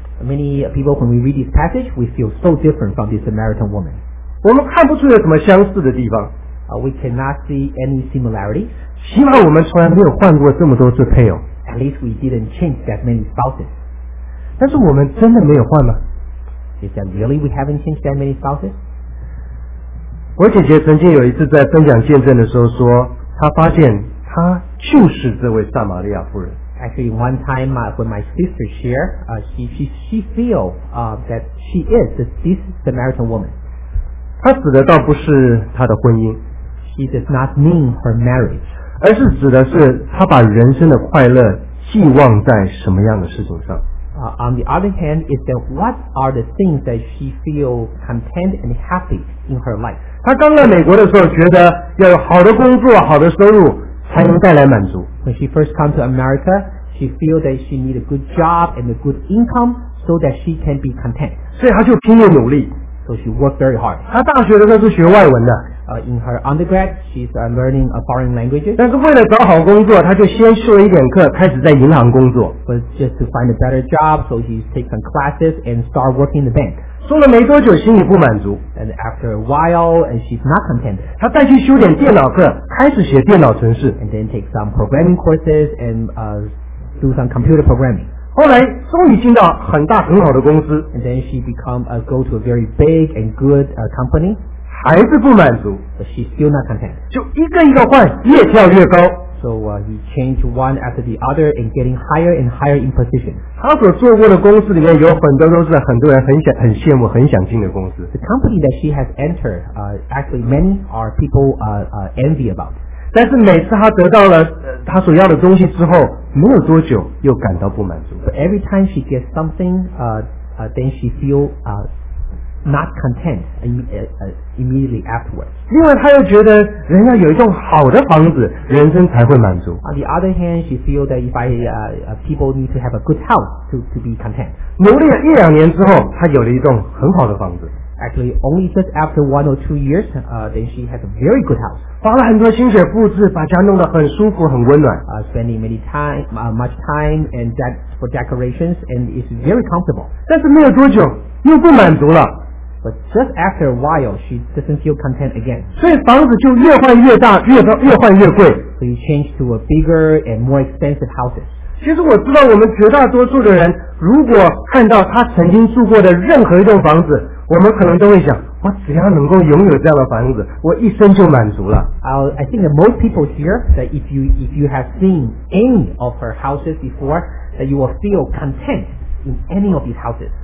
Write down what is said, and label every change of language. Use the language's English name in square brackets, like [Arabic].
[English] Many people, when we read this passage, we feel so different from this Samaritan woman. [Chinese] 我们看不出有什么相似的地方。 [English] We cannot see any similarities. [Chinese] 起码我们从来没有换过这么多次配偶。 [English] At least we didn't change that many spouses. [Chinese] 但是我们真的没有换吗？ [English] Is that really we haven't changed that many spouses? [Chinese] 我姐姐曾经有一次在分享见证的时候说，她发现她就是这位撒玛利亚妇人。 [English] Actually, one time when my sister shared, she feels that she is this Samaritan woman. [Chinese] 她指的倒不是她的婚姻。 [English] She does not mean her marriage. [Chinese] 而是指的是她把人生的快乐寄望在什么样的事情上。 [English] On the other hand, is that what are the things that she feels content and happy in her life? [Chinese] 她刚来美国的时候觉得要有好的工作，好的收入，才能带来满足。 [English] When she first come to America, she feel that she need a good job and a good income so that she can be content. [Chinese] 所以她就拼命努力。 [English] So she worked very hard. [Chinese] 她大学的时候是学外文的。 [English] In her undergrad, she's learning foreign languages. [Chinese] 但是为了找好工作，她就先修了一点课，开始在银行工作。 [English] But just to find a better job, so she take some classes and start working in the bank. [Chinese] 做了没多久，心里不满足。 [English] And after a while, and she's not content. [Chinese] 她再去修点电脑课，开始写电脑程式。 [English] And then take some programming courses and do some computer programming. [Chinese] 后来终于进到很大很好的公司。 [English] And then she become go to a very big and good company. [Chinese] 还是不满足， [English] but she's still not content. [Chinese] 就一个一个换，越跳越高。 [English] So he changed one after the other and getting higher and higher in position. [Chinese] 他所做过的公司里面有很多都是很多人很羡慕、很想进的公司。 [English] The company that she has entered, actually many are people envy about. [Chinese] 但是每次他得到了他所要的东西之后，没有多久又感到不满足。 [English] But every time she gets something, then she feel not content immediately afterwards. [Chinese] 另外，她又觉得人家有一栋好的房子，人生才会满足。 [English] On the other hand, she feels that if people need to have a good house to be content. [Chinese] 努力了一两年之后，她有了一栋很好的房子。 [English] Actually, only just after 1 or 2 years, then she has a very good house. [Chinese] 花了很多心血布置，把家弄得很舒服、很温暖。 [English] Spending many time, much time and that for decorations, and it's very comfortable. [Chinese] 但是没有多久，又不满足了。 [English] But just after a while, she doesn't feel content again. [Chinese] 所以房子就越换越大，越换越贵。 [English] So you change to a bigger and more expensive houses. [Chinese] 其实我知道我们绝大多数的人如果看到他曾经住过的任何一栋房子我们可能都会想我只要能够拥有这样的房子我一生就满足了、 [English] I think that most people here that if you have seen any of her houses before that you will feel content in any of these houses